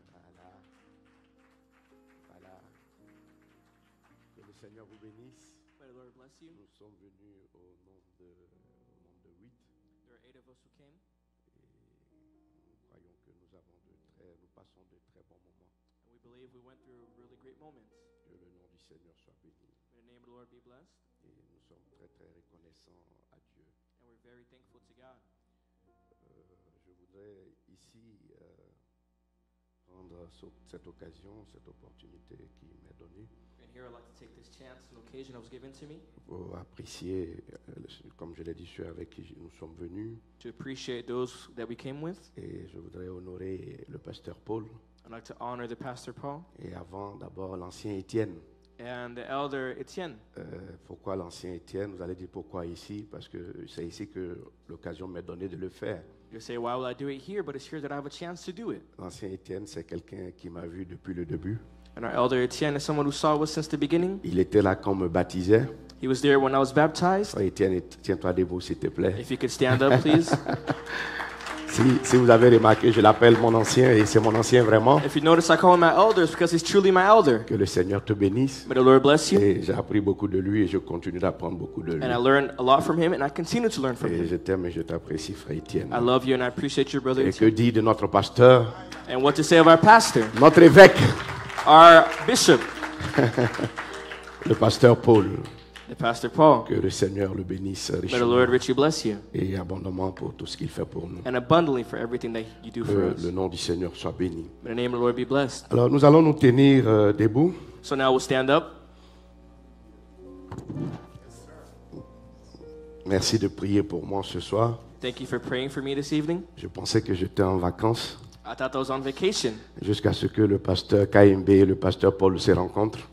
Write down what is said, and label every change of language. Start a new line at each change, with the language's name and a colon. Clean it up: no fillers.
French: Voilà. Voilà. Que le Seigneur vous bénisse.
English: May the Lord bless you.
French: Nous sommes venus au nombre de 8.
English: There are 8 of us who came.
French: Et nous croyons que nous passons de très bons moments.
English: We believe we went through really great moments.
French: Que le nom du Seigneur soit béni.
English: May the name of the Lord be blessed.
French: Et nous sommes très très reconnaissants à Dieu.
English: And we're very thankful to God.
French: Je voudrais ici prendre cette occasion, cette opportunité qui m'est donnée.
English: And here I'd like to take this chance, an occasion that was given to me.
French: Pour apprécier, comme je l'ai dit, ceux avec qui nous sommes venus.
English: To appreciate those that we came with.
French: Et je voudrais honorer le pasteur Paul.
English: I'd like to honor the pastor Paul.
French: Et avant, d'abord, l'ancien Étienne.
English: And the elder Étienne.
French: Pourquoi l'ancien Étienne? Vous allez dire pourquoi ici? Parce que c'est ici que l'occasion m'est donnée de le faire.
English: You say, why will I do it here? But it's here that I have a chance to do it.
French: L'ancien Étienne, c'est quelqu'un qui m'a vu depuis le début.
English: And our elder Étienne is someone who saw us since the beginning.
French: Il était là quand on me baptisait.
English: He was there when I was baptized.
French: Étienne, tiens-toi debout, s'il te plaît.
English: If you could stand up, please.
French: Si vous avez remarqué, je l'appelle mon ancien et c'est mon ancien vraiment.
English: If you notice, I call him my elder because he's truly my elder.
French: Que le Seigneur te bénisse.
English: May the Lord bless you.
French: Et j'ai appris beaucoup de lui et je continue d'apprendre beaucoup de lui.
English: And I learned a lot from him and I continue to learn from
French: et
English: him.
French: Et je t'aime et je t'apprécie, frère Étienne.
English: I love you and I appreciate your brother.
French: Et Etienne. Que dit de notre pasteur?
English: And what to say of our pastor?
French: Notre évêque.
English: Our bishop.
French: Le pasteur Paul.
English: The pastor Paul.
French: Que le Seigneur le bénisse richement.
English: May the Lord richly bless you.
French: Et abondamment pour tout ce qu'il fait pour nous.
English: And abundantly for everything that you do for us.
French: Le nom du Seigneur soit béni.
English: May the name of the Lord be blessed.
French: Alors nous allons nous tenir debout.
English: So now we'll stand up.
French: Merci de prier pour moi ce soir.
English: Thank you for praying for me this evening.
French: Je pensais que j'étais en vacances.
English: I thought I was on vacation.
French: Jusqu'à ce que le pasteur KMB et le pasteur Paul se rencontrent.